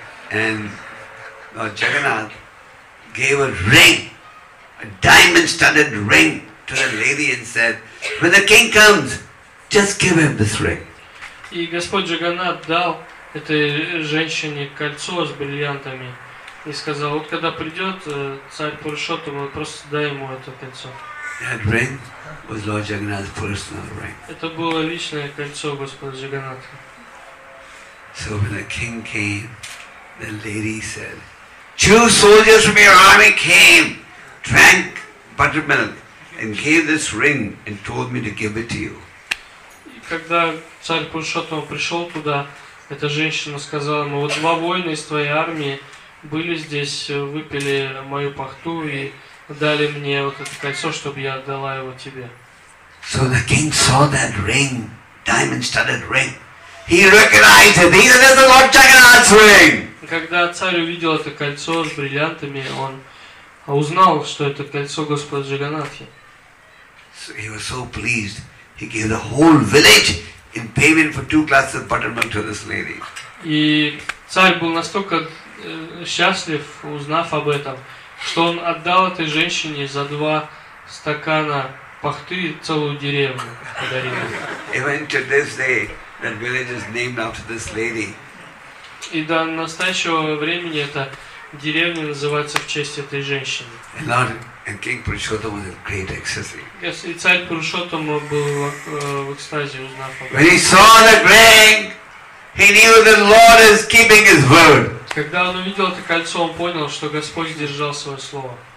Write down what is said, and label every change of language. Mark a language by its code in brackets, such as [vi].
[en] And Jagannath gave a ring, a diamond-studded ring, to the lady and said, when the king comes, just give him this ring. [ru] И Господь Джаганнат дал этой женщине кольцо с бриллиантами и сказал, вот когда придет царь Пурушоттама, просто дай ему это кольцо. [en] That ring was Lord Jagannath's personal ring. [ru] Это было личное кольцо Господа Джаганнатха. [en] So when the king came, the lady said, two soldiers from your army came, drank buttermilk, and gave this ring and told me to give it to you. [ru] И когда царь Пурушоттама пришел туда, эта женщина сказала ему, вот два воина из твоей армии были здесь, выпили мою пахту и дали мне вот это кольцо, чтобы я отдала его тебе. [en] So the king saw that ring, diamond-studded ring. He recognized it. This is the Lord Jagannath's ring. [ru] Когда царь увидел это кольцо с бриллиантами, он узнал, что это кольцо Господа Джаганнатхи. [en] So he was so pleased. He gave the whole village in payment for two glasses of buttermilk to this lady. [ru] И царь был настолько счастлив, узнав об этом, что он отдал этой женщине за два стакана пахты целую деревню подарил. [en] Even to this day, that village is named after this lady. [ru] И до настоящего времени эта деревня называется в честь этой женщины. [en] And King Purushottam was in great ecstasy. [ru] Yes, и царь Пурушоттам был в экстазе, узнав об этом. [en] When he saw the ring, he knew the Lord is keeping his word. [ru] Когда он увидел это кольцо, он понял, что Господь держал свое слово.